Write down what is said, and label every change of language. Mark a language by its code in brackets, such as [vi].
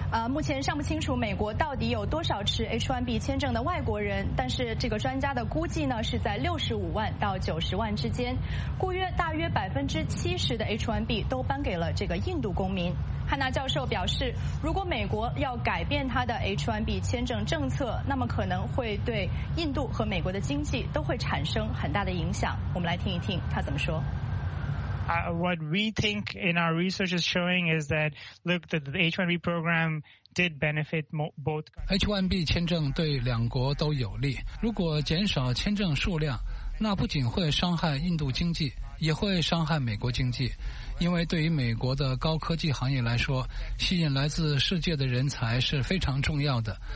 [zh] 目前尚不清楚美国到底有多少持 H1B 签证的外国人，但是这个专家的估计呢是在65万到90万之间，故约大约70%的 H1B 都颁给了这个印度公民。汉娜教授表示，如果美国要改变他的 H1B 签证政策，那么可能会对印度和美国的经济都会产生很大的影响。我们来听一听他怎么说。 [en] What we think in our research is showing is that, look, the H1B program did benefit both. [zh] H1B 签证对两国都有利。如果减少签证数量，那不仅会伤害印度经济，也会伤害美国经济，因为对于美国的高科技行业来说，吸引来自世界的人才是非常重要的。